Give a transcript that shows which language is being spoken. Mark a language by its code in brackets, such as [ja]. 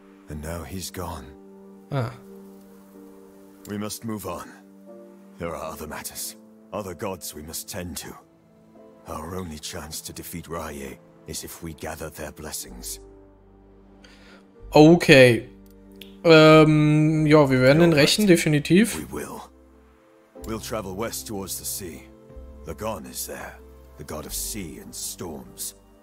[en] And now he's gone. Ah. We must move on. There are other matters. Other gods we must tend to. Our only chance to defeat Raye is if we gather their blessings. Okay. [de] Ja, wir werden ihn rächen, definitiv. [en] We will. We'll travel west towards the sea. Lagon is there, the god of sea and storms.